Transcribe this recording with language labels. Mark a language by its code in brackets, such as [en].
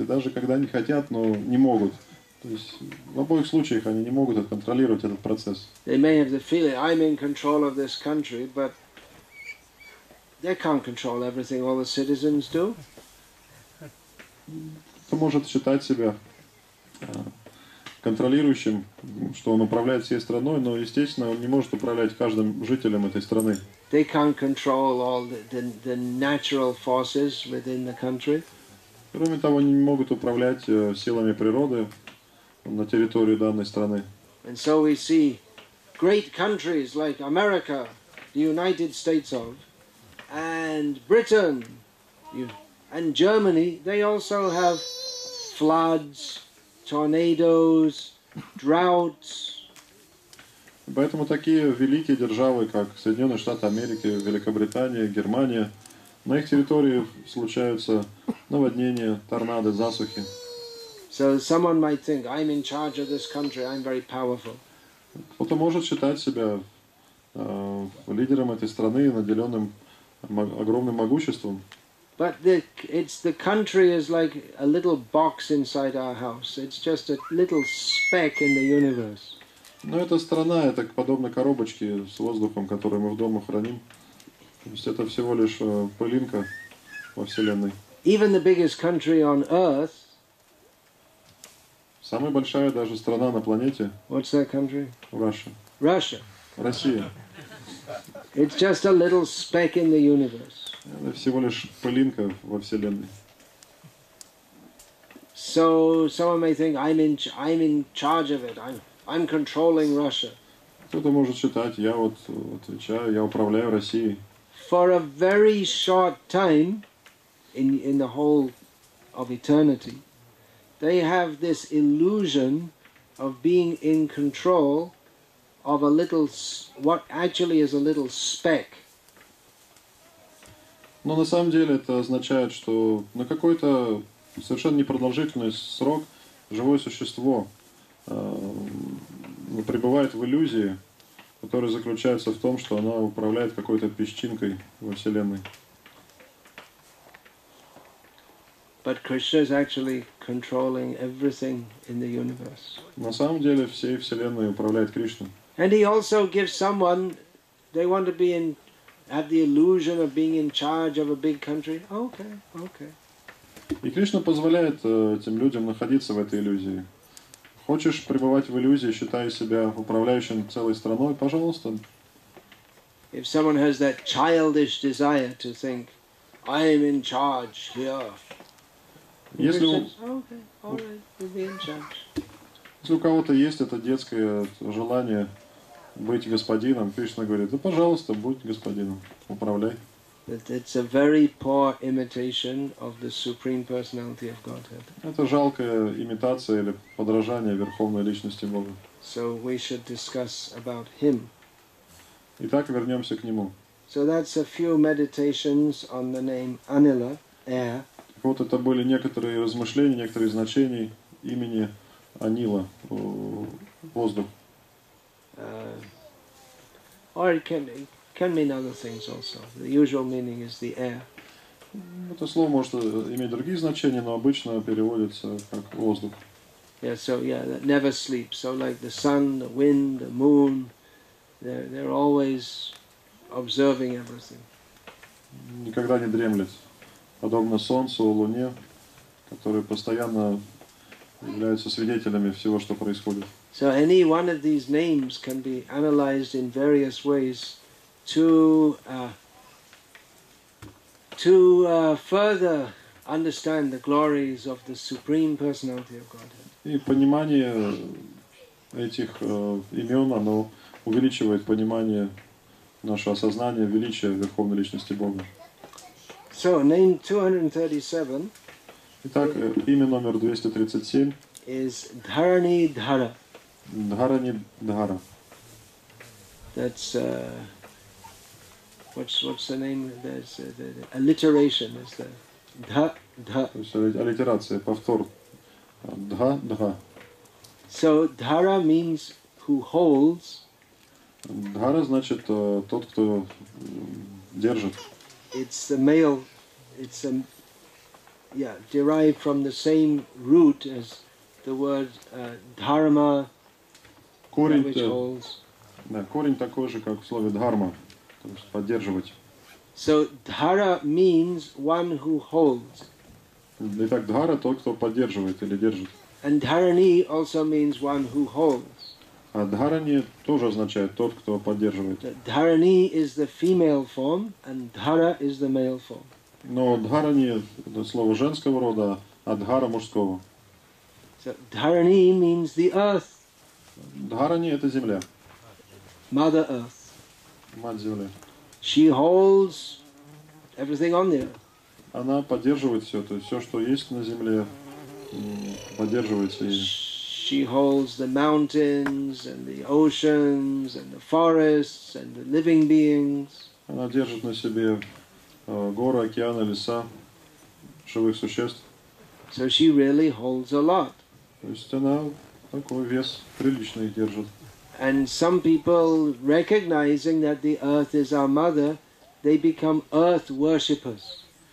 [ru] И даже когда не хотят, но не могут. То есть в обоих случаях они не могут контролировать этот процесс. [en] They may have the feeling I'm in control of this country, but they can't control everything all the citizens do. [ru] Кто может считать себя контролирующим, что он управляет всей страной, но, естественно, он не может управлять каждым жителем этой страны. [en] They can't control all the natural forces within the country. [ru] Кроме того, они не могут управлять силами природы на территории данной страны. [en] And so we see great countries like America, the United States of, and Britain, and Germany, they also have floods, tornadoes, droughts. [ru] Поэтому такие великие державы, как Соединенные Штаты Америки, Великобритания, Германия, на их территории случаются наводнения, торнадо, засухи. [en] So someone might think, I'm in charge of this country, I'm very powerful. [ru] Кто-то может считать себя лидером этой страны, наделенным огромным могуществом. [en] But the country is like a little box inside our house. It's just a little speck in the universe. [ru] Но эта страна, это подобно коробочке с воздухом, которую мы в дома храним. То есть это всего лишь пылинка во вселенной. [en] Even the biggest country on earth. [ru] Самая большая даже страна на планете. [en] What's that country? Russia. Russia. [ru] Россия. [en] It's just a little speck in the universe. [ru] Это всего лишь пылинка во вселенной. [en] So someone may think I'm in charge of it. I'm controlling Russia. [ru] Кто-то может считать, я вот отвечаю, я управляю Россией. [en] For a very short time, in the whole of eternity, they have this illusion of being in control of a little what actually is a little speck. [ru] Но на самом деле это означает, что на какой-то совершенно непродолжительный срок живое существо пребывает в иллюзии, которая заключается в том, что оно управляет какой-то песчинкой во Вселенной. [en] But Krishna is actually controlling everything in the universe. [ru] На самом деле всей Вселенной управляет Кришна. [en] And he also gives someone, they want to be in have the illusion of being in charge of a big country. Okay, okay. [ru] И Кришна позволяет этим людям находиться в этой иллюзии. Хочешь пребывать в иллюзии, считая себя управляющим целой страной, пожалуйста. [en] If someone has that childish desire to think, I am in charge here. [ru] Если [en] okay, all right, you'll be in charge. [ru] Если у кого-то есть это детское желание быть господином, Кришна говорит, да пожалуйста, будь господином, управляй. [en] It's a very poor imitation of the Supreme Personality of Godhead. [ru] Это жалкая имитация или подражание Верховной Личности Бога. [en] So we should discuss about him. [ru] Итак, вернемся к нему. [en] So that's a few meditations on the name Anila, air. [ru] Вот это были некоторые размышления, некоторые значения имени Анила, воздух. [en] Or it can mean other things also. The usual meaning is the air. [ru] Это слово может иметь другие значения, но обычно переводится как воздух. [en] Yeah, so yeah, that never sleeps. So like the sun, the wind, the moon, they're always observing everything. [ru] Никогда не дремлет. Подобно солнцу, луне, которые постоянно являются свидетелями всего, что происходит. [en] So any one of these names can be analyzed in various ways to further understand the glories of the Supreme Personality of Godhead. [ru] И понимание этих имен, оно увеличивает понимание наше осознание величия Верховной Личности Бога. [en] So, name 237. [ru] Итак, имя номер 237. [en] Is Dharani Dhara. Dharani Dhara. That's what's the name? There's the alliteration. Is the dha. [ru] То есть аллитерация, повтор. Dha, dha. [en] So Dhara means who holds. [ru] Dhara значит тот, кто держит. [en] It's the male. It's derived from the same root as the word dharma, [ru] корень, [en] which holds. [ru] Да, корень такой же, как в слове дхарма, то есть поддерживать. [en] So dhara means one who holds. [ru] Итак, дхара тот, кто поддерживает или держит. [en] And dharani also means one who holds. [ru] А дхарани тоже означает тот, кто поддерживает. [en] Dharani is the female form, and dhara is the male form. [ru] Но дхарани – это слово женского рода, а дхара – мужского. [en] So, dharani means the earth. [ru] Дхарани – это земля. [en] Mother earth. [ru] Мать земля. [en] She holds everything on the earth. [ru] Она поддерживает все, то есть все, что есть на земле, поддерживается ей. [en] She holds the mountains, and the oceans, and the forests, and the living beings. [ru] Она держит на себе горы, океаны, леса, живых существ. [en] So she really holds a lot. [ru] То есть она такой вес приличный держит. [en] And some people, recognizing that the earth is our mother, they become earth worshippers.